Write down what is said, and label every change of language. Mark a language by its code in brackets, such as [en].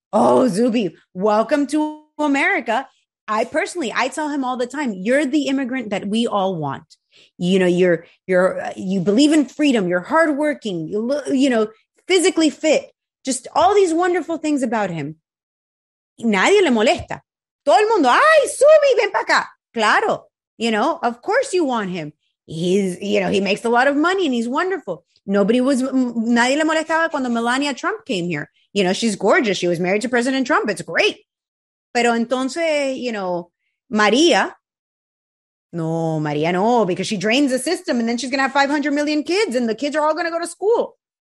[en] Oh, Zuby, welcome to America. I tell him all the time, you're the immigrant that we all want. You know, you believe in freedom. You're hardworking, you know, physically fit, just all these wonderful things about him. [es] Nadie le molesta. Todo el mundo, ay, Zuby, ven para acá. Claro. [en] You know, of course you want him. He makes a lot of money and he's wonderful. [es] Nadie le molestaba cuando [en] Melania Trump came here. You know, she's gorgeous. She was married to President Trump. It's great. [es] Pero entonces, [en] you know, Maria, no, because she drains the system and then she's going to have 500 million kids and the kids are all going to go to school.